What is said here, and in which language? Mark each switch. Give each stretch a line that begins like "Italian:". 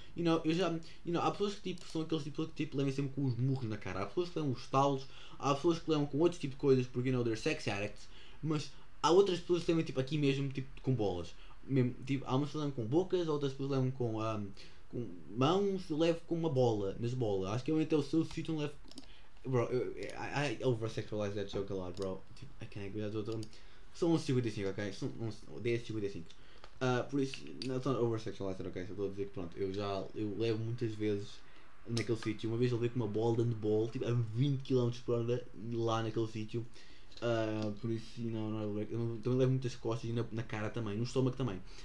Portuguese: You know, eu já, you know, há pessoas que tipo, são aqueles tipos que tipo, levem sempre com os murros na cara, há pessoas que levam os talos, há pessoas que levam com outros tipos de coisas, porque, you know,
English: they're sex addicts,
Portuguese: mas há outras pessoas que levam tipo, aqui mesmo, tipo, com bolas. Mesmo, tipo, há umas que levam com bocas, outras pessoas levam com mãos, eu levo com uma bola, nas bolas. Acho que eu até o seu sítio não levo.
English: Bro, I over-sexualize that joke a lot, bro.
Portuguese: Tipo,
English: I can't agree.
Portuguese: São 55, ok? São 10:55. Por isso, não estou over-sexualizing, ok? Só estou a dizer que pronto, eu levo muitas vezes naquele sítio. Uma vez eu levei com uma bola dando bola, tipo, a 20 km por hora lá naquele sítio. Por isso, também levo muitas costas e na cara também, no estômago também.